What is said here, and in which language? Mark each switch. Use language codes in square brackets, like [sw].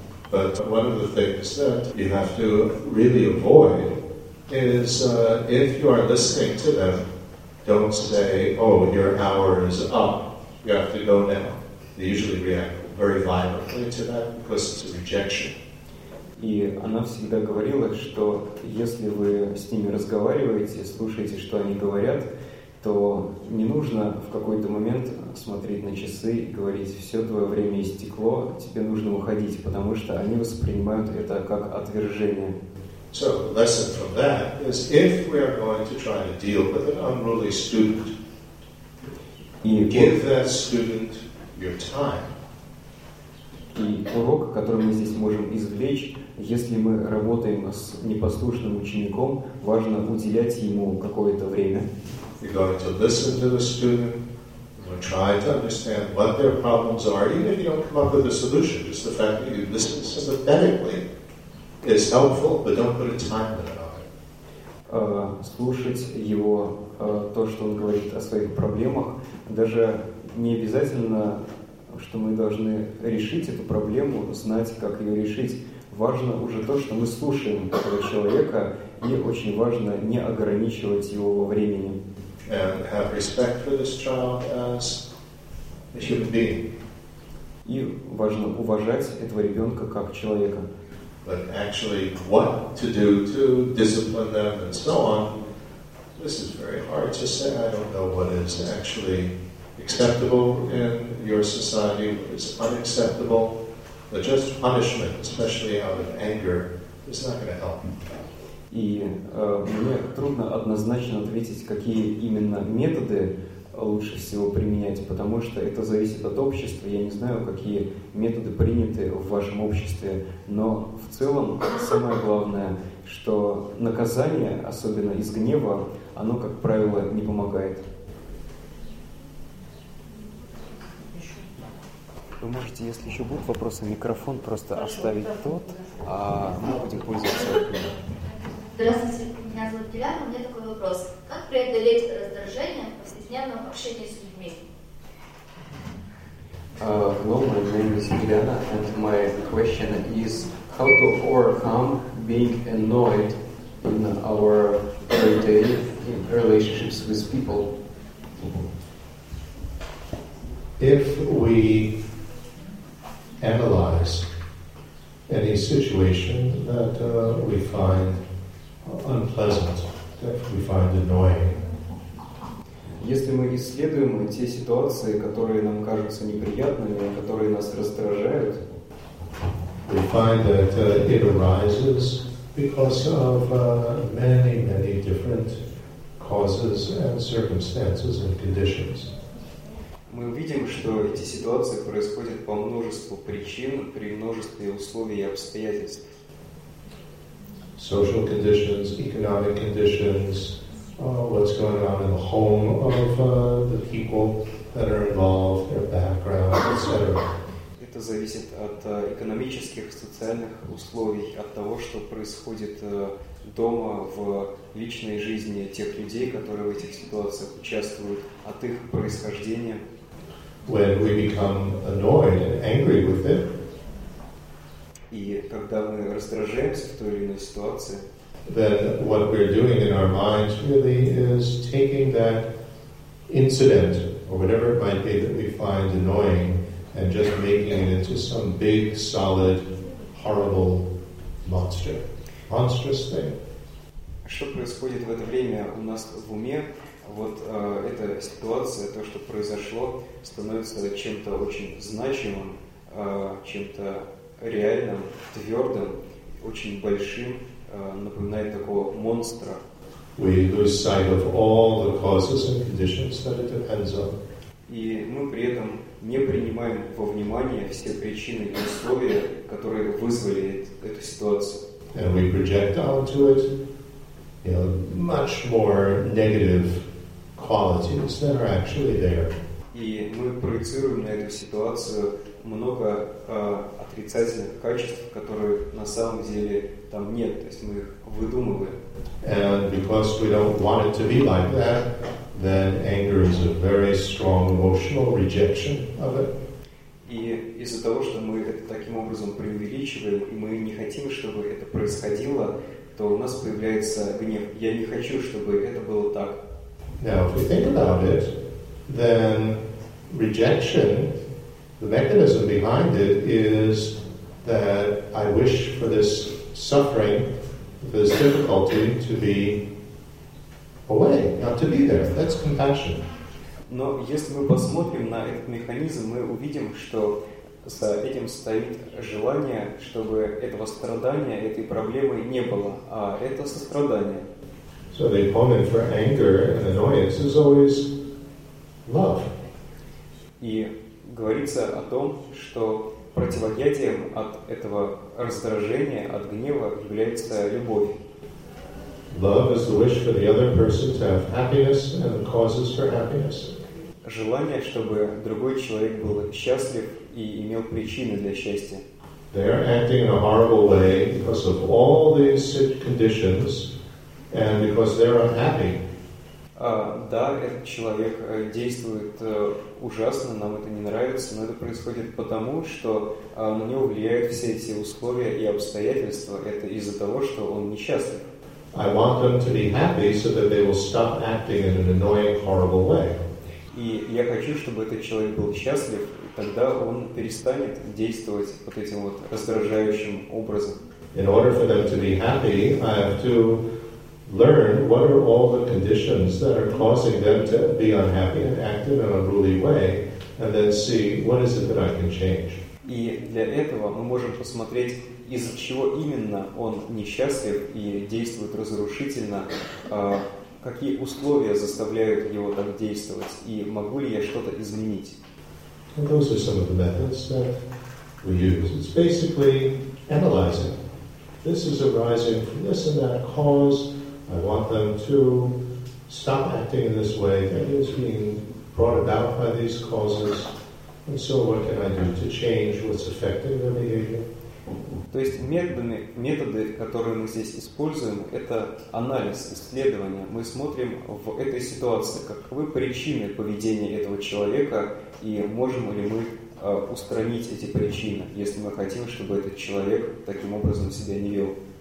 [en] But one of the things that you have to really avoid is if you are listening to them, don't say, oh, your hour is up, you have to go now. They usually react very violently to that because it's a rejection. [ru] И она всегда говорила, что если вы с ними разговариваете, слушаете, что они говорят, то не нужно в какой-то момент смотреть на часы и говорить: «Все, твое время истекло, тебе нужно уходить», потому что они воспринимают это как отвержение. [en] So, lesson from that is if we are going to try to deal with an unruly student, give that student your time. [ru] И урок, который мы здесь можем извлечь, если мы работаем с непослушным учеником, важно уделять ему какое-то время. [en] We're going to listen to the student, we'll try to understand what their problems are, even if you don't come up with a solution, just the fact that you listen sympathetically. It's helpful, but don't put a time limit on it. [ru] Слушать его, то, что он говорит о своих проблемах, даже не обязательно, что мы должны решить эту проблему, знать, как ее решить. Важно уже то, что мы слушаем этого человека, и очень важно не ограничивать его во времени. [en] And have respect for this child as a human being. [ru] И важно уважать этого ребенка как человека. [en] But actually, what to do to discipline them and so on, this is very hard to say. I don't know what is actually acceptable in your society, what is unacceptable. But just punishment, especially out of anger, is not going to help. [ru] И мне трудно однозначно ответить, какие именно методы лучше всего применять, потому что это зависит от общества. Я не знаю, какие методы приняты в вашем обществе, но в целом самое главное, что наказание, особенно из гнева, оно, как правило, не помогает. Вы можете, если еще будут вопросы, микрофон просто оставить тот, а мы будем пользоваться. Здравствуйте, меня зовут Диляна, у меня такой вопрос. Как преодолеть раздражение в повседневном общении с людьми? [en] Hello, my name is Diliana, and my question is how to overcome being annoyed in our everyday in relationships with people? If we analyze any situation that we find unpleasant, that we find annoying. [ru] Если мы исследуем те ситуации, которые нам кажутся неприятными, которые нас раздражают, [en] we find that it arises because of many, many different causes and circumstances and conditions. [ru] Мы увидим, что эти ситуации происходят по множеству причин, при множестве условий и обстоятельств. [en] Social conditions, economic conditions, what's going on in the home of the people that are involved, their background, etc. [ru] Это зависит от экономических, социальных условий, от того, что происходит дома, в личной жизни тех людей, которые в этих ситуациях участвуют, от их происхождения. [en] When we become annoyed and angry with it, [ru] и когда мы раздражаемся в той или иной ситуации, [en] then what we're doing in our minds really is taking that incident or whatever it might be that we find annoying and just making it into some big, solid, horrible monster. Monstrous thing. [ru] Что происходит в это время у нас в уме? Вот эта ситуация, то, что произошло, становится чем-то очень значимым, чем-то реальным, твердым, очень большим, напоминает такого монстра. [en] We lose sight of all the causes and conditions that it depends on. [ru] И мы при этом не принимаем во внимание все причины и условия, которые вызвали эту ситуацию. [en] And we project onto it, much more negative qualities that are actually there. [ru] И мы проецируем на эту ситуацию много отрицательных качеств, которых на самом деле там нет, то есть мы их выдумываем. [en] And because we don't want it to be like that, then anger is a very strong emotional rejection of it. [ru] И из-за того, что мы это таким образом преувеличиваем, и мы не хотим, чтобы это происходило, то у нас появляется гнев. Я не хочу, чтобы это было так. [en] Now, if we think about it, then rejection, the mechanism behind it is that I wish for this suffering, this difficulty to be away, not to be there. That's compassion. [ru] Но если мы посмотрим на этот механизм, мы увидим, что за этим стоит желание, чтобы этого страдания, этой проблемы не было, а это сострадание. [en] So the opponent for anger and annoyance is always love. [ru] И говорится о том, что противоядием от этого раздражения, от гнева является любовь. [en] Love is the wish for the other person to have happiness and the causes for happiness. [ru] Желание, чтобы другой человек был счастлив и имел причины для счастья. [en] They are acting in a horrible way because of all these conditions and because they are unhappy. [ru] Да, этот человек действует ужасно, нам это не нравится, но это происходит потому, что на него влияют все эти условия и обстоятельства. Это из-за того, что он несчастлив. [en] I want them to be happy so that they will stop acting in an annoying, horrible way. [ru] И я хочу, чтобы этот человек был счастлив, тогда он перестанет действовать вот этим вот раздражающим образом. [en] In order for them to be happy, I have to learn what are all the conditions that are causing them to be unhappy and act in an unruly way, and then see what is it that I can change. [ru] И для этого мы можем посмотреть, из-за чего именно он несчастлив и действует разрушительно, какие условия заставляют его так действовать, и могу ли я что-то изменить? [en] And those are some of the methods that we use. It's basically analyzing. This is arising from this and that cause. I want them to stop acting in this way. That is being brought about by these causes. And so what can I do to change what's affecting their behavior? [ru] То есть методы, которые мы здесь используем, это анализ, исследование. Мы смотрим в этой ситуации, каковы причины поведения этого человека и можем ли мы устранить эти причины, если мы хотим, чтобы этот человек таким образом себя не вел.